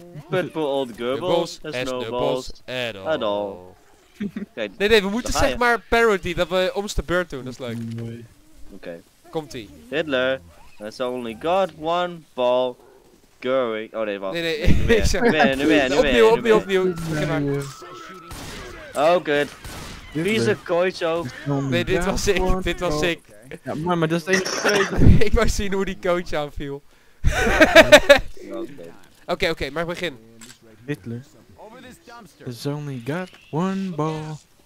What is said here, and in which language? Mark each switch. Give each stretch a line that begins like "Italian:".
English: But for old Goebbels, there's no balls at all.
Dutch: Nee, we moeten zeg maar parody, dat we ons de beurt doen, dat is leuk. Oké. Komt ie.
English: Hitler. It's only got one ball. Goering.
Dutch: Oh nee, wacht. Nee, ik zeg maar. Opnieuw.
English: Oh, good.
Dutch: Vieze coach ook. Nee, dit was ik. Ja, maar dat is de enige keuze. Ik wou zien hoe die coach aanviel. Oké, maar begin.
English: Hitler. There's only got one ball.